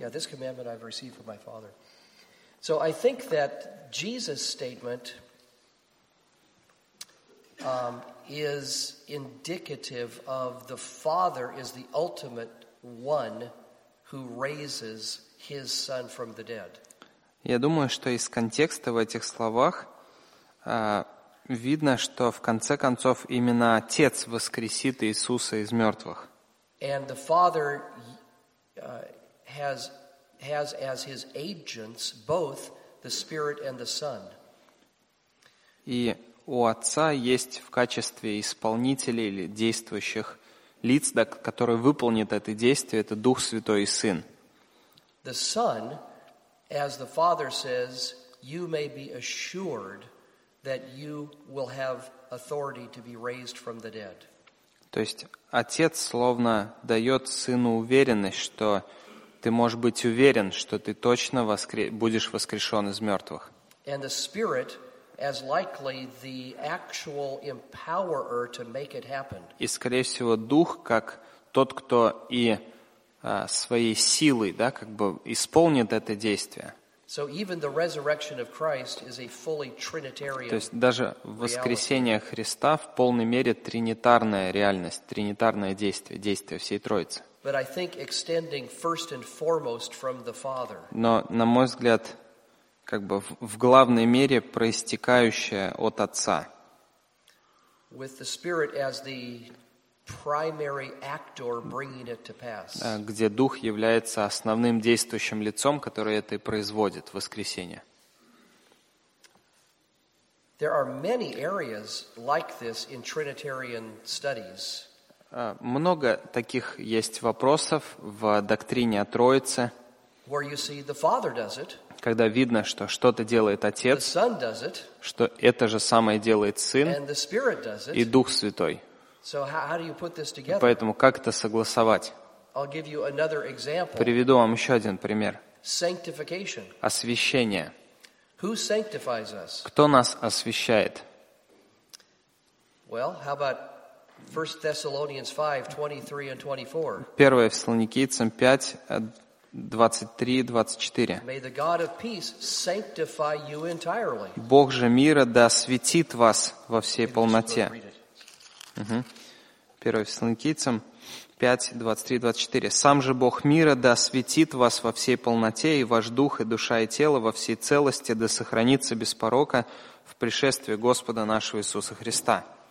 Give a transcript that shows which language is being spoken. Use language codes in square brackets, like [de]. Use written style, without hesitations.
[en] Yeah, this commandment I've received from my Father. So I think that Jesus' statement is indicative of the Father is the ultimate one who raises his son from the dead. [ru] Я думаю, что из контекста в этих словах видно, что в конце концов именно Отец воскресит Иисуса из мертвых. [en] And the Father has as his agents both the Spirit and the Son. [ru] И у Отца есть в качестве исполнителей или действующих лиц, да, которые выполнят это действие, это Дух Святой и Сын. [en] The Son, as the Father says, you may be assured that you will have authority to be raised from the dead. [ru] То есть Отец словно дает Сыну уверенность, что ты можешь быть уверен, что ты точно будешь воскрешен из мертвых. [en] And the Spirit, as likely the actual empowerer to make it happen. [ru] И, скорее всего, Дух, как тот, кто и своей силой, да, как бы исполнит это действие. [en] So even the resurrection of Christ is a fully trinitarian. [ru] То есть даже воскресение Христа в полной мере тринитарная реальность, тринитарное действие, действие всей Троицы. [en] But I think extending first and foremost from the Father. [ru] Но, на мой взгляд, как бы в главной мере проистекающее от Отца. [en] With the Spirit as the primary actor bringing it to pass. [ru] Где Дух является основным действующим лицом, который это и производит, воскресение. [en] There are many areas like this in Trinitarian studies. [ru] Много таких есть вопросов в доктрине о Троице. [en] Where you see the Father does it. [ru] Когда видно, что что-то делает Отец, [en] the Son does it, [ru] что это же самое делает Сын [en] and the Spirit does it. [ru] И Дух Святой. [en] So how do you put this together? [ru] Поэтому как это согласовать? [en] I'll give you another example. [ru] Приведу вам еще один пример. [en] Sanctification. [ru] Освящение. [en] Who sanctifies us? [ru] Кто нас освящает? [en] Well, how about 1 Thessalonians 5, 23 and 24? [ru] Первое Фессалоникийцам 5:23-24. [en] May the God of peace sanctify you entirely. [ru] Бог же мира да осветит вас во всей полноте. Первое Фессалоникийцам 5:23-24. Сам же Бог мира да осветит вас во всей полноте, и ваш дух, и душа, и тело во всей целости да сохранится без порока в пришествии Господа нашего Иисуса Христа.